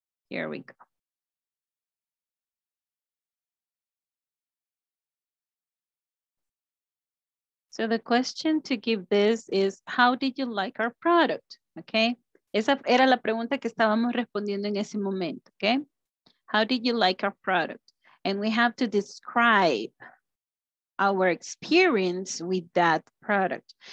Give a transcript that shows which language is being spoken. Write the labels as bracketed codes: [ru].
[en] Here we go. So So the question to give this is, how did you like our product? Okay. [es] Esa era la pregunta que estábamos respondiendo en ese momento. [en] Okay. How did you like our product? And we have to describe our experience with that product.